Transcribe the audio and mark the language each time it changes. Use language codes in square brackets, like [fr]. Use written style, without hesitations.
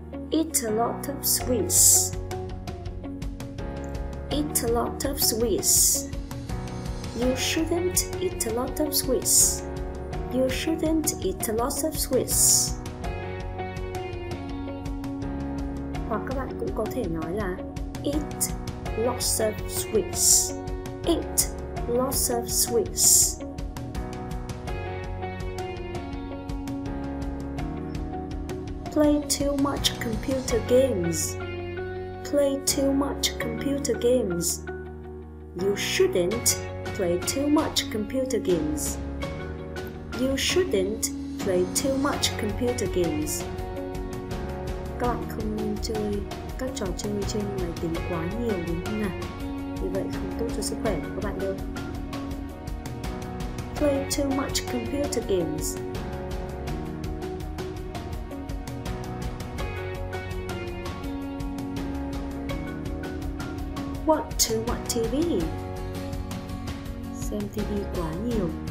[en] Eat a lot of sweets. Eat a lot of sweets. You shouldn't eat a lot of sweets. You shouldn't eat a lot of sweets. [vi] Hoặc các bạn cũng có thể nói là [en] eat lots of sweets. Eat lots of sweets. Play too much computer games. Play too much computer games. You shouldn't play too much computer games. You shouldn't play too much computer games. [vi] Các bạn không nên chơi các trò chơi trên máy tính quá nhiều đúng không nào? Vì vậy không tốt cho sức khỏe của các bạn đâu. [en] Play too much computer games. Watch too much TV. [vi] Xem TV quá nhiều.